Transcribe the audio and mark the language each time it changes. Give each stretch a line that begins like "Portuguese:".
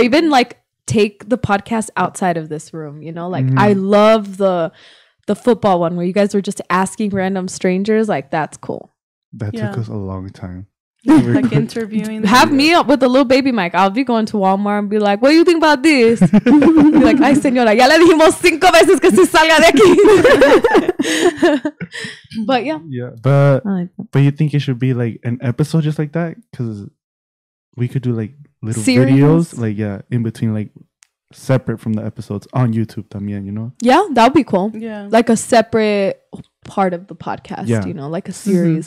English: Or even like take the podcast outside of this room, you know? Like I love the football one where you guys were just asking random strangers. Like, that's cool. That took us a long time. Like interviewing them. Have me up with a little baby mic. I'll be going to Walmart and be like, what do you think about this? Be like,
Spanish: ay señora, ya le dijimos cinco veces que se salga de aquí.
English: But yeah. Yeah, but you think it should be like an episode just like that? Because we could do like little videos. Like, yeah, in between, like separate from the episodes on YouTube también, you know? Yeah, that would be cool. Yeah. Like a separate part of the podcast, you know, like a series.